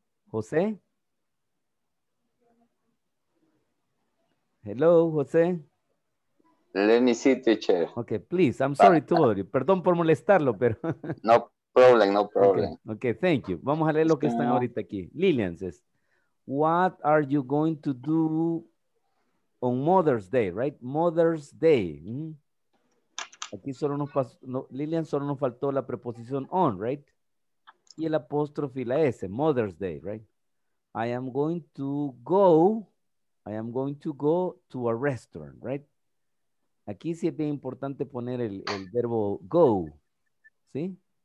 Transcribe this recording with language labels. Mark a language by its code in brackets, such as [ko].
[en] ¿José? Hello, José. Let me see, teacher. Okay, please. I'm sorry to bother you. [es] Perdón por molestarlo, pero... [en] No problem, no problem. Okay, okay, thank you. [es] Vamos a leer lo que están ahorita aquí. [en] Lillian says, what are you going to do on Mother's Day, right? [es] Mother's Day. Mm-hmm. Aquí solo nos pasó... No, Lillian, solo nos faltó la preposición on, right? Y el apóstrofe y la S, Mother's Day, right? [en] I am going to go to a restaurant, right? [es] Aquí sí es bien importante poner el verbo go, ¿sí?